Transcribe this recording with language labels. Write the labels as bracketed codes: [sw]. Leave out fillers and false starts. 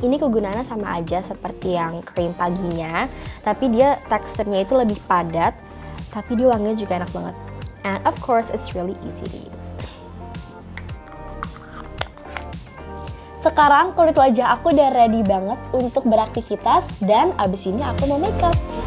[id] Ini kegunaannya sama aja seperti yang krim paginya, tapi dia teksturnya itu lebih padat, tapi dia wanginya juga enak banget. [en] And of course it's really easy to use. [id] Sekarang kulit wajah aku udah ready banget untuk beraktivitas dan abis ini aku mau makeup.